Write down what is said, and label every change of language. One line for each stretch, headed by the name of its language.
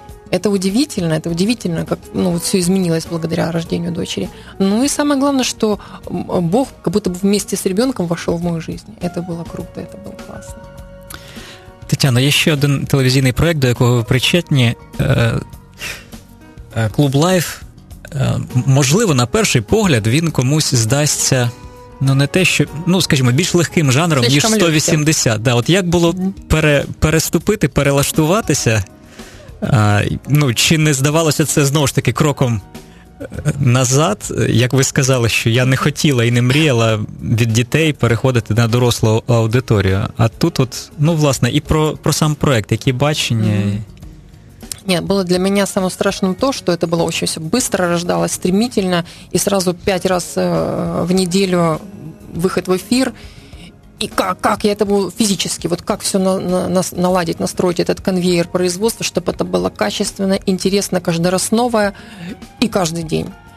Russian: Это удивительно, как ну, вот все изменилось благодаря рождению дочери. Ну и самое главное, что Бог как будто бы вместе с ребенком вошел в мою жизнь. Это было круто, это было классно. Тетяна, еще один телевизионный проект,
Ukrainian: до якого вы причетні,
Russian: «Клуб Лайф».
Ukrainian: Можливо, на перший погляд він комусь здасться, ну, не те, що, ну, скажімо, більш легким жанром, ніж 180. Да, от як було переступити, перелаштуватися, ну, чи не здавалося це, знову ж таки, кроком назад, як ви сказали, що я не хотіла і не мріяла від дітей переходити на дорослу аудиторію. А тут от, ну, власне, і про сам проєкт, які бачення...
Russian: Нет, было для меня самым страшным то, что это было очень все быстро, рождалось стремительно, и сразу 5 раз в неделю выход в эфир. И как я это буду физически, вот как все наладить, настроить этот конвейер производства, чтобы это было качественно, интересно, каждый раз новое и каждый день.